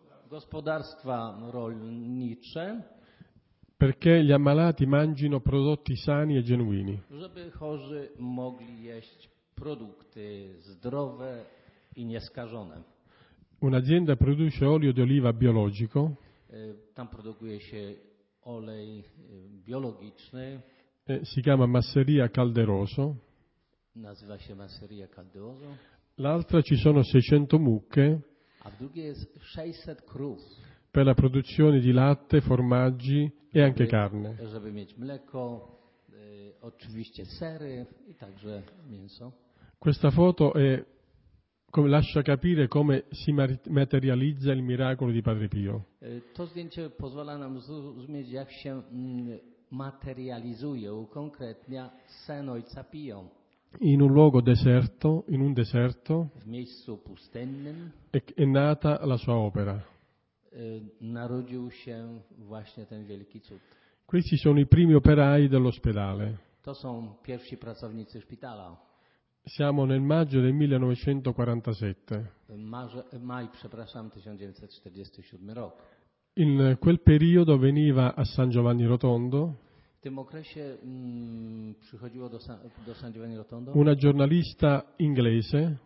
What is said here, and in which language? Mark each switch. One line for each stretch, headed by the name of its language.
Polish: Gospodarstwa rolnicze.
Italian: Perché gli ammalati mangino prodotti sani e genuini.
Polish: Żeby chorzy mogli jeść produkty zdrowe i nieskażone.
Italian: Un'azienda produce olio di oliva biologico.
Polish: Tam produkuje się olej biologiczny.
Italian: Si chiama Masseria Calderoso.
Polish: Nazywa się Masseria Calderoso.
Italian: L'altra ci sono 600 mucche.
Polish: A w drugiej jest 600 krów.
Italian: Per la produzione di latte, formaggi e anche carne.
Polish: Żeby mieć mleko, oczywiście sery i także mięso.
Italian: Questa foto è come lascia capire come si materializza il miracolo di Padre Pio.
Polish: To zdjęcie pozwala nam zrozumieć, jak się materializuje, ukonkretnia sen Ojca Pio.
Italian: In un luogo deserto, in un deserto,
Polish: w miejscu pustynnym,
Italian: è nata la sua opera.
Polish: Narodził się właśnie ten wielki cud.
Italian: Questi sono i primi operai dell'ospedale.
Polish: To są pierwsi pracownicy szpitala.
Italian: Siamo nel maggio del 1947.
Polish: Maj, przepraszam, 1947 rok.
Italian: In quel periodo veniva a San Giovanni Rotondo.
Polish: W tym okresie przychodziło do San Giovanni Rotondo.
Italian: Una giornalista inglese.